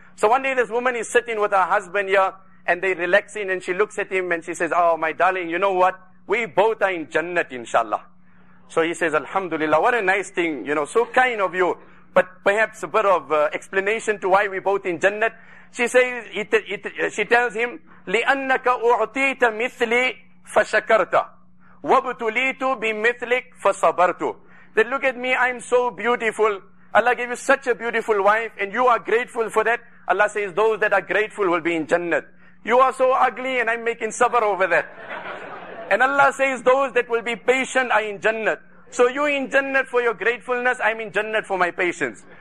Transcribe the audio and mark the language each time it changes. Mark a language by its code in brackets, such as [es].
[en] So one day this woman is sitting with her husband here, and they're relaxing, and she looks at him and she says, oh my darling, you know what? We both are in Jannat, inshallah. So he says, alhamdulillah, what a nice thing, you know, so kind of you. But perhaps a bit of explanation to why we both in Jannat. She says, she tells him, [ar] لِأَنَّكَ أُعْطِيتَ مِثْلِي فَشَكَرْتَ وَبْتُلِيتُ بِمِثْلِكَ فَصَبَرْتُ. [en] Then look at me, I'm so beautiful. Allah gave you such a beautiful wife and you are grateful for that. Allah says, those that are grateful will be in Jannat. You are so ugly and I'm making sabr over that. And Allah says, those that will be patient are in Jannat. So you in Jannat for your gratefulness, I'm in Jannat for my patience.